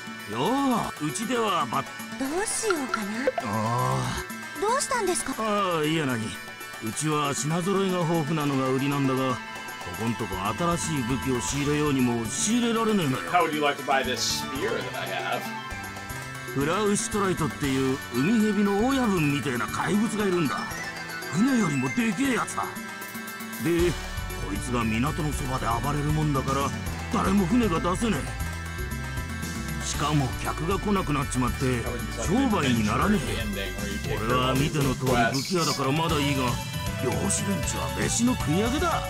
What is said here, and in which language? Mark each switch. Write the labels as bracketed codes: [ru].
[ja] よう、うちではば。どうしようかな。ああ。どうしたんですか。ああ、いやなに。うちは品揃えが豊富なのが売りなんだが、ここんとこ新しい武器を仕入れようにも仕入れられねえのよ。 [en] How would you like to buy this spear that I have? [ja] フラウシトライトっていう海蛇の親分みたいな怪物がいるんだ。船よりもでけえやつだでこいつが港のそばで暴れるもんだから誰も船が出せねえしかも客が来なくなっちまって商売にならねえ俺は見ての通り武器屋だからまだいいが漁師連中は飯の食い上げだ